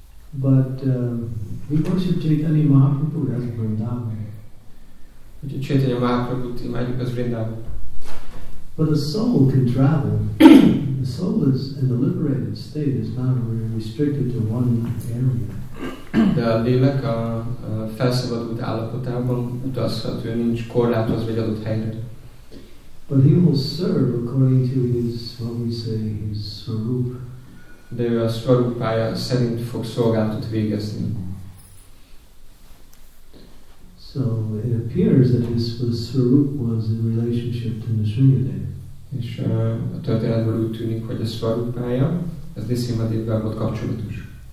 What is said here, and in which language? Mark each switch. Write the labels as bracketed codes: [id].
[en] But we worship Chaitanya Mahaprabhu as a Vrindavan. [hu] Hogy a Chaitanya Mahaprabhu imádjuk az Vrindavan. [en] But a soul can travel. The soul is in the liberated state is not really restricted to one area. [hu] De a lélek a felszabadult állapotában utazhat, ő nincs korlátoz vagy adott helyre. [en] But he will serve according to his, what we say, his swarup. [hu] De ő a swarupája szerint fog szolgálatot végezni. [en] So it appears that his swarup was in relationship to Nisimhadev. [hu] És a történetből úgy tűnik, hogy a swarupája, ez Nisimhadevvel volt kapcsolatos.